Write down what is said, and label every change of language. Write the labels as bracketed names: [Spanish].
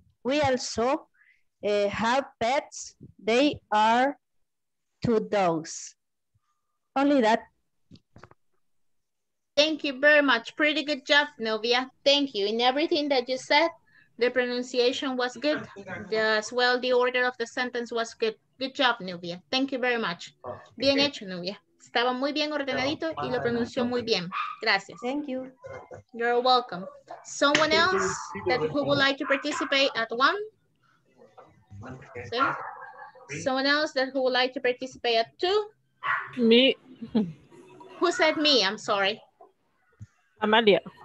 [English] We also have pets. They are two dogs. Only that. Thank you very much. Pretty good job, Novia. Thank you. In everything that you said, the pronunciation was good. As well, the order of the sentence was good. Good job, Novia. Thank you very much. [Spanish] Bien hecho, Novia. Estaba muy bien ordenadito y lo pronunció muy bien. Gracias. [English] Thank you. You're welcome. Someone else that who would like to participate at one? See? Someone else that who would like to participate at two? Me. Who said me? I'm sorry. Amalia.